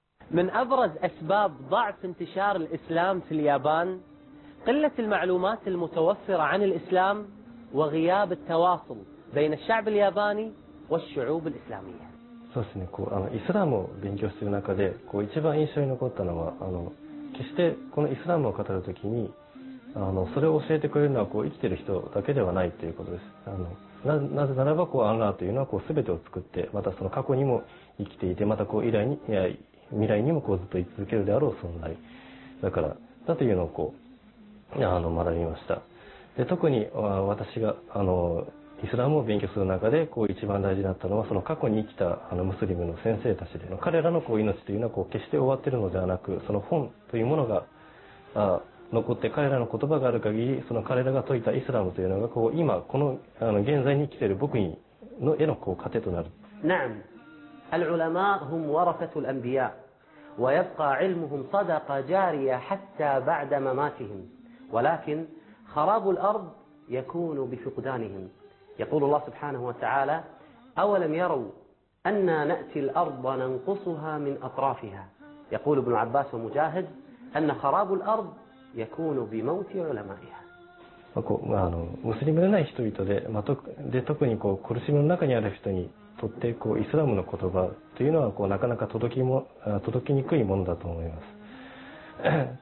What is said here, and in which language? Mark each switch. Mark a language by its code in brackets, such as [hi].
[ar] من أبرز أسباب ضعف انتشار الإسلام في اليابان قلة المعلومات المتوفرة عن الإسلام وغياب التواصل بين الشعب الياباني والشعوب الإسلامية. [ja] そうですね。こうイスラムを勉強する中で、こう一番印象に残ったのは決してこのイスラムを語るときにそれを教えてくれるのはこう生きている人だけではないということです。なぜならばこうアンラーというのはこうすべてを作って、またその過去にも生きていて、またこう未来にもこうずっと生き続けるであろう存在だからだというのをこう学びました。で特に私がイスラムを勉強する中でこう一番大事だったのは、その過去に生きたムスリムの先生たちでの彼らのこう命というのはこう決して終わっているのではなく、その本というものが残って、彼らの言葉がある限り、その彼らが説いたイスラムというのがこう今この現在に生きている僕への糧となる。 [ar] なん、العلماء هم ورثة الأنبياء ويبقى علمهم صدقة جارية حتى بعد مماتهم، ولكن خراب الأرض يكون بفقدانهم. يقول الله سبحانه وتعالى: أولم يروا أنا نأتي الأرض ننقصها من أطرافها. يقول ابن عباس ومجاهد أن خراب الأرض يكون بموت علمائها. [ja] イスラムの言葉というのはなかなか届きにくいものだと思います。